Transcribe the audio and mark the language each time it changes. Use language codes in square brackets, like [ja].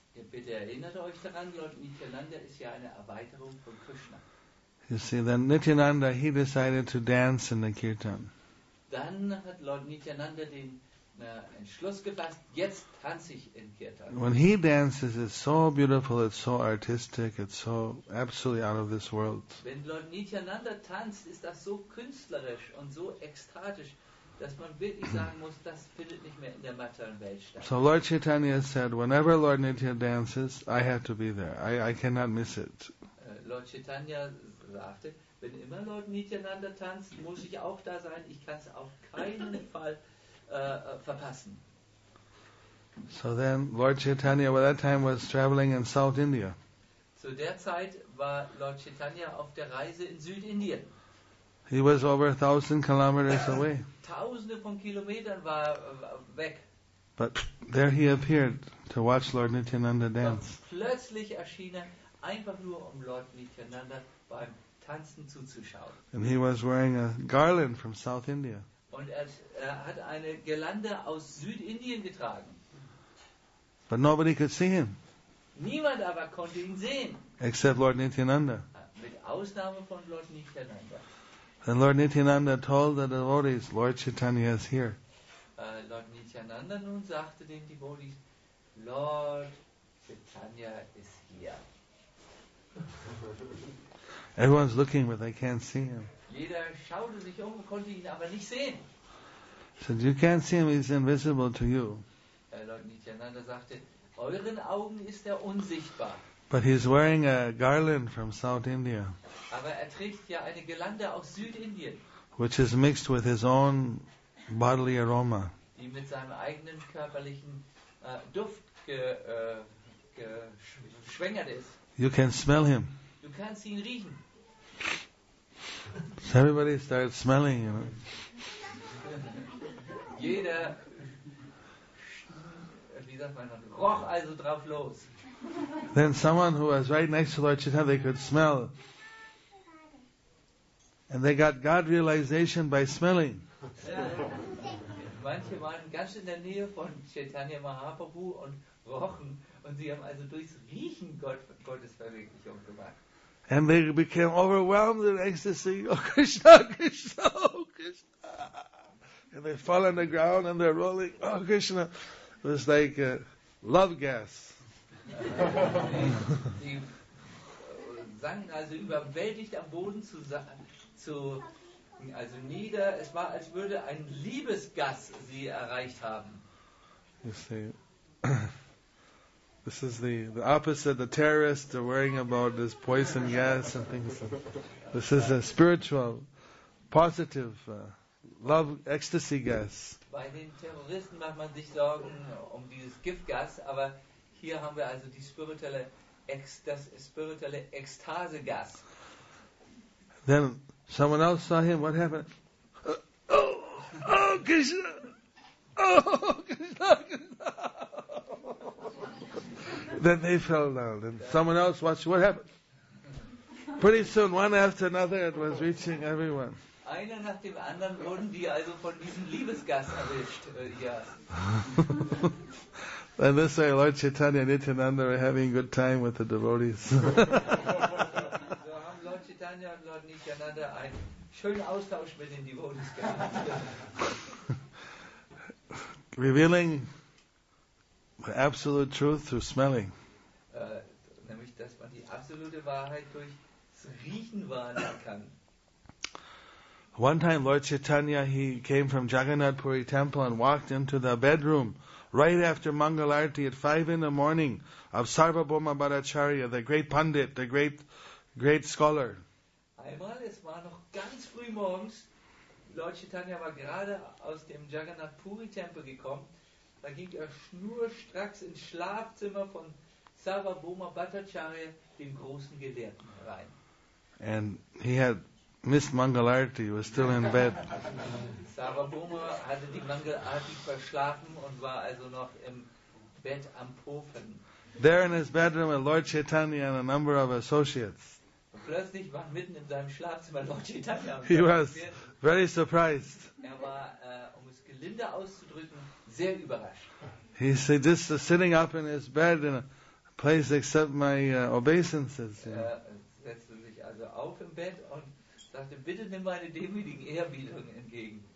[de] Bitte erinnert euch daran, Lord Nityananda ist ja eine Erweiterung von Krishna. [en] You see, then Nityananda, he decided to dance in the kirtan. [de] Dann hat Lord Nityananda den Entschluss gefasst, jetzt tanze ich in Kirtan. [en] When he dances, it's so beautiful, it's so artistic, it's so absolutely out of this world. [de] Wenn Lord Nityananda tanzt, ist das so künstlerisch und so ekstatisch, dass man wirklich sagen muss, das findet nicht mehr in der materiellen Welt statt. [en] So Lord Chaitanya said, whenever Lord Nityananda dances, I have to be there. I cannot miss it. [de] Lord Chaitanya sagte, wenn immer Lord Nityananda tanzt, muss ich auch da sein. Ich kann es auf keinen Fall verpassen. [en] So then Lord Chaitanya by that time was traveling in South India. [de] Zu der Zeit war Lord Chaitanya auf der Reise in Südindien. [en] He was over 1,000 kilometers away. [de] Tausende von Kilometern war weg. [en] But there he appeared to watch Lord Nityananda dance. [de] Doch plötzlich erschien er einfach nur, um Lord Nityananda beim Tanzen zuzuschauen. [en] And he was wearing a garland from South India. [de] Und er hat eine Girlande aus Südindien getragen. [en] But nobody could see him. [de] Niemand aber konnte ihn sehen. [en] Except Lord Nityananda. [de] Mit Ausnahme von Lord Nityananda. [en] And Lord Nityananda told the devotees, Lord Chaitanya is here. [de] Lord Nityananda nun sagte den Devotees, Lord Chaitanya [en] is here. Everyone's looking, but they can't see him. [de] Jeder schaute sich um, konnte ihn aber nicht sehen. [en] Said, you can't see him, he's invisible to you. [de] Lord Nityananda sagte, euren Augen ist er unsichtbar. [en] But he's wearing a garland from South India. [de] Aber er trägt ja eine Girlande aus Südindien. [en] Which is mixed with his own bodily aroma. [de] Die mit seinem eigenen körperlichen Duft geschwängert ist. [en] You can smell him. [de] Du kannst ihn riechen. [en] So everybody starts smelling, you know. [de] Jeder, wie sagt man, roch also drauf los. [en] Then someone who was right next to Lord Chaitanya, they could smell. And they got God realization by smelling. [de] Manche waren ganz in der Nähe von Chaitanya Mahaprabhu und rochen. Und sie haben also durchs Riechen Gottes Verwirklichung gemacht. [en] And they became overwhelmed in ecstasy. Oh Krishna, Krishna, oh Krishna. And they fall on the ground and they're rolling. Oh Krishna. It was like love gas. [de] Sie sanken also überwältigt am Boden zu nieder. Es war, als würde ein Liebesgas sie erreicht haben. [en] You see, this is the opposite. The terrorists are worrying about this poison gas and things. This is a spiritual, positive love ecstasy gas. [de] Bei den Terroristen macht man sich Sorgen um dieses Giftgas, aber hier haben wir also das spirituelle Ekstasegas. [en] Then someone else saw him. What happened? Oh, Krishna! Oh, Krishna! Then they fell down. And someone else watched. What happened? Pretty soon, one after another, it was reaching everyone. [de] Einer nach dem anderen wurden die also von diesem Liebesgas erwischt. Ja. [en] In this way, Lord Chaitanya and Nityananda were having a good time with the devotees. [de] So haben Lord Chaitanya und Lord Nityananda einen schönen Austausch mit den Devotees gehabt. [en] Revealing the absolute truth through smelling. [de] Nämlich, dass man die absolute Wahrheit durch das Riechen wahrnehmen kann. [en] One time, Lord Chaitanya, he came from Jagannath Puri temple and walked into the bedroom right after Mangal Arati at 5 a.m. of Sarvabhauma Bhattacharya, the great pundit, the great scholar. [de] Einmal, es war noch ganz früh morgens, Lord Chaitanya war gerade aus dem Jagannath Puri Tempel gekommen Da ging er schnurstracks ins Schlafzimmer von Sarvabhauma Bhattacharya, dem großen Gelehrten, rein. [en] And he had missed Mangalarti, was still in bed. [de] Sarvabhauma hatte die Mangalarti verschlafen und war also noch im Bett am Pofen. [en] There in his bedroom with Lord Chaitanya and a number of associates. [de] Plötzlich war mitten in seinem Schlafzimmer Lord Chaitanya. [en] He was very surprised. [de] Er war, um es gelinde auszudrücken, sehr überrascht. [en] He said, just sitting up in his bed in a place except my obeisances. [de] Er setzte sich also auf im Bett und sagte, bitte nimm meine demütigen Ehrbietungen entgegen.